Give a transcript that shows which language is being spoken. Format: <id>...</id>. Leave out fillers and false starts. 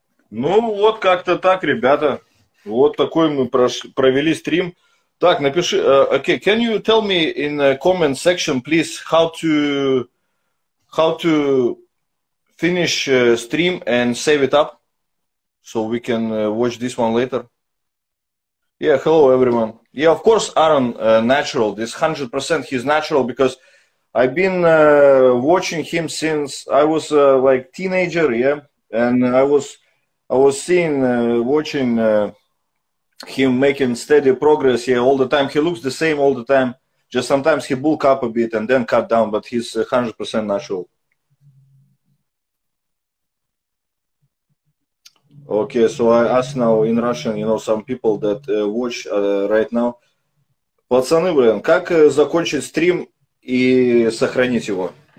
<ru>Ну, вот как-то так, ребята. Вот такой мы провели стрим. Так, напиши,</ru> <en>okay, can you tell me in the comment section, please, how to finish stream and save it up so we can watch this one later? Yeah, hello everyone. Yeah, of course, Aaron, natural. This 100% he's natural because I've been watching him since I was like teenager, yeah, and I was seeing watching him making steady progress, yeah, all the time. He looks the same all the time. Just sometimes he bulk up a bit and then cut down, but he's 100% natural. Okay, so I ask now in Russian, you know, some people that watch right now.</en> <ru>Пацаны, блин, как закончить стрим и сохранить его?</ru>